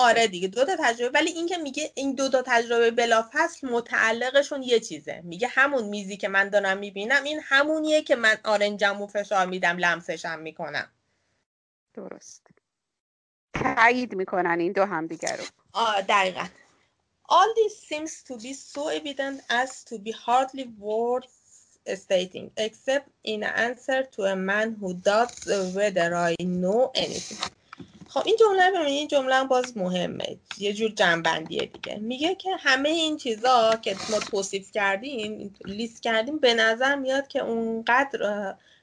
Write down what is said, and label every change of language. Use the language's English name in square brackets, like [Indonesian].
[Persian] آره دیگه دو تا تجربه، ولی این که میگه این دو تا تجربه بلافاصل متعلقشون یه چیزه، میگه همون میزی که من دارم میبینم این همونیه که من آرنجمو فشار میدم لمسشم میکنم. درست تایید میکنن این دو هم دیگه رو. آه دقیقا. [English] All this seems to be so evident as to be hardly worth stating, except in answer to a man who doubts whether I know anything. [Persian] خب این جمله ببینید، این جمله هم باز مهمه، یه جور جنبندیه دیگه. میگه که همه این چیزا که ما توصیف کردیم، لیست کردیم، به نظر میاد که اونقدر